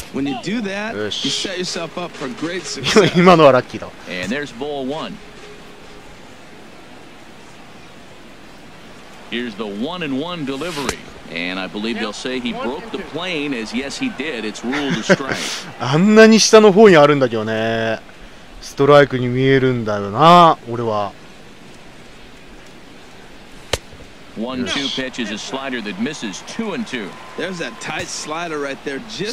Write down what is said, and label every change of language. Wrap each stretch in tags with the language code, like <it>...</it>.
<en>When you do that, you set yourself up for great success.</en> <ja>今のはラッキーだ。</ja> <en>And there's ball one. Here's the one and one delivery. And I believe they'll say he broke the plane, as yes he did, it's ruled a strike.</en> <ja>あんなに下の方にあるんだけどね。ストライクに見えるんだよな、俺は。</ja> <en>1-2 pitch is a slider that misses 2-2. There's that tight slider right there, just</en>